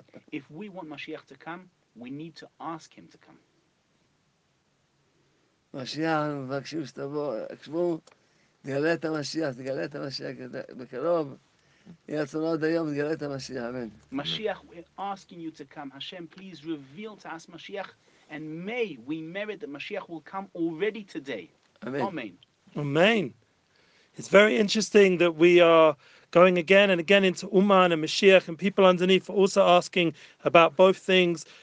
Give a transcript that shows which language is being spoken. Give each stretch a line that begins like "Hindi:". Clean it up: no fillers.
English: If we want Mashiach to come, we need to ask Him to come.
Hebrew: Mashiach, מבקשים שתבוא, עכשיו, תגלה את המשיח בקרוב.
English: Mashiach, we're asking you to come. Hashem, please reveal to us Mashiach, and may we merit that Mashiach will come already today. Amen. Amen. Amen. It's very interesting that we are going again and again into Uman and Mashiach, and people underneath are also asking about both things.